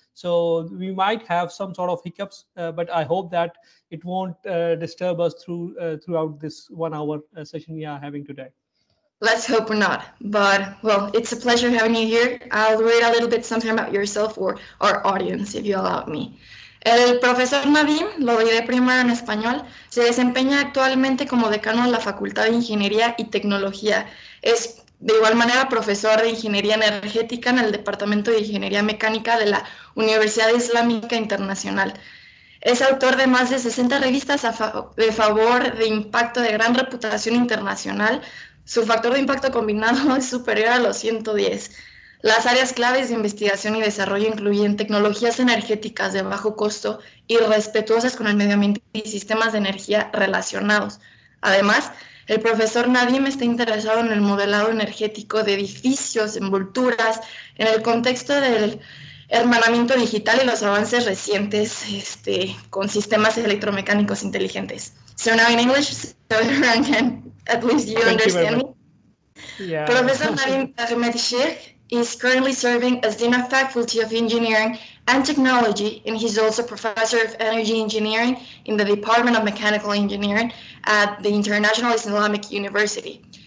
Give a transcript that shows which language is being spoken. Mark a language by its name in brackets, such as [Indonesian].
[English] So we might have some sort of hiccups, but I hope that it won't disturb us throughout this 1 hour session we are having today. Let's hope not. But well, it's a pleasure having you here. I'll read a little bit something about yourself or our audience, if you allow me. [Spanish] El profesor Nadeem, lo diré primero en español, se desempeña actualmente como decano de la Facultad de Ingeniería y Tecnología. Es de igual manera profesor de Ingeniería Energética en el Departamento de Ingeniería Mecánica de la Universidad Islámica Internacional. Es autor de más de 60 revistas de favor de impacto de gran reputación internacional. Su factor de impacto combinado es superior a los 110. Las áreas claves de investigación y desarrollo incluyen tecnologías energéticas de bajo costo y respetuosas con el medio ambiente y sistemas de energía relacionados. Además, el profesor Nadeem está interesado en el modelado energético de edificios, envolturas, en el contexto del hermanamiento digital y los avances recientes con sistemas electromecánicos inteligentes. [English] So now in English, so everyone can at least you understand me. Professor Nadeem Ahmed Sheikh is currently serving as Dean of Faculty of Engineering and Technology, and he's also Professor of Energy Engineering in the Department of Mechanical Engineering at the International Islamic University.